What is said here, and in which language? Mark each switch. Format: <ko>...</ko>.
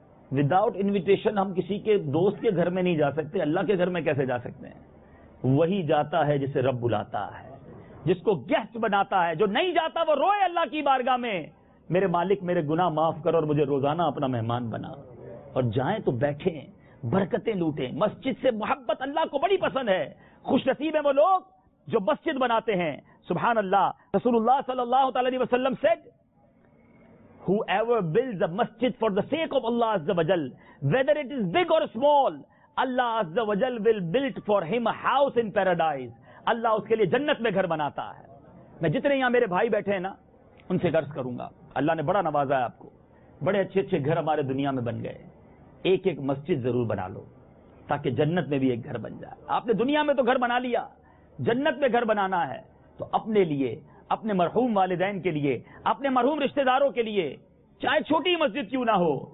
<ur>Without invitation ہم کسی کے دوست کے گھر میں نہیں جا سکتے, اللہ کے گھر میں کیسے جا سکتے ہیں؟ وہی جاتا ہے جسے رب بلاتا ہے, جس کو گیسٹ بناتا ہے. جو نہیں جاتا وہ روئے اللہ کی بارگاہ میں, میرے مالک میرے گناہ معاف کر اور مجھے روزانہ اپنا مہمان بنا. اور جائیں تو بیٹھیں, برکتیں لوٹیں. مسجد سے محبت اللہ کو بڑی پسند ہے. خوش نصیب ہیں وہ لوگ جو مسجد بناتے ہیں. سبحان اللہ, رسول اللہ صلی اللہ تعالی علیہ وسلم سے</ur> <en>Whoever builds a masjid for the sake of Allah Azza wa Jal, whether it is big or small, Allah Azza wa Jal will build for him a house in paradise.</en> <ur>Allah اس کے لیے جنت میں گھر بناتا ہے. میں جتنے یہاں میرے بھائی بیٹھے ہیں نا, ان سے عرض کروں گا, اللہ نے بڑا نوازا ہے آپ کو, بڑے اچھے اچھے گھر ہمارے دنیا میں بن گئے. ایک ایک مسجد ضرور بنا لو تاکہ جنت میں بھی ایک گھر بن جائے. آپ نے دنیا میں تو گھر بنا لیا, جنت میں گھر بنانا ہے تو اپنے لیے, اپنے مرحوم والدین کے لیے, اپنے مرحوم رشتہ داروں کے لیے, چاہے چھوٹی مسجد کیوں نہ ہو.</ur>